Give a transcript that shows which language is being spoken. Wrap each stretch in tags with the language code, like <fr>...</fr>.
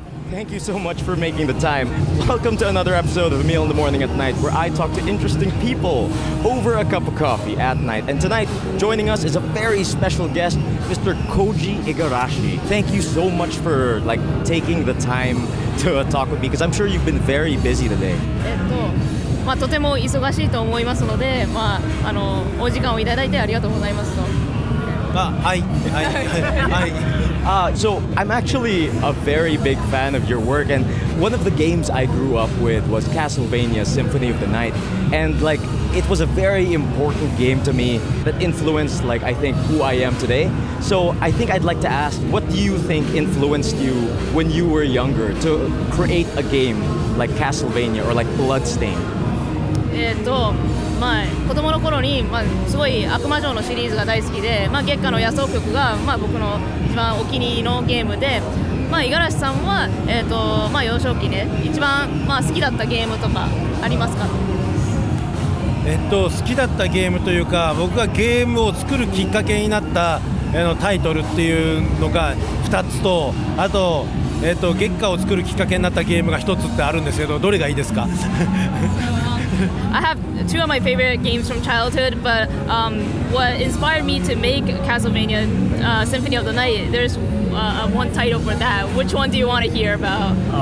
<en>Thank you so much for making the time. Welcome to another episode of A Meal in the Morning at Night, where I talk to interesting people over a cup of coffee at night. And tonight, joining us is a very special guest, Mr. Koji Igarashi. Thank you so much for like taking the time to talk with me, because I'm sure you've been very busy today.</en> <ja>とても忙しいと思いますので、お時間をいただいてありがとうございますと。</ja> <en>So I'm actually a very big fan of your work, and one of the games I grew up with was Castlevania Symphony of the Night, and like it was a very important game to me that influenced like I think who I am today. So I think I'd like to ask, what do you think influenced you when you were younger to create a game like Castlevania or like Bloodstained?</en> <ja>まあ、子供の頃に、まあ、すごい悪魔城のシリーズが大好きで、まあ、月下の野草曲が、まあ、僕の一番お気に入りのゲームで、まあ、五十嵐さんは、まあ、幼少期ね一番、まあ、好きだったゲームとかありますか？好きだったゲームというか僕がゲームを作るきっかけになったタイトルっていうのが2つとあと月下を作るきっかけになったゲームが1つってあるんですけどどれがいいですか？</ja> <en>I have two of my favorite games from childhood, but what inspired me to make Castlevania Symphony of the Night, there's one title for that. Which one do you want to hear about?</en>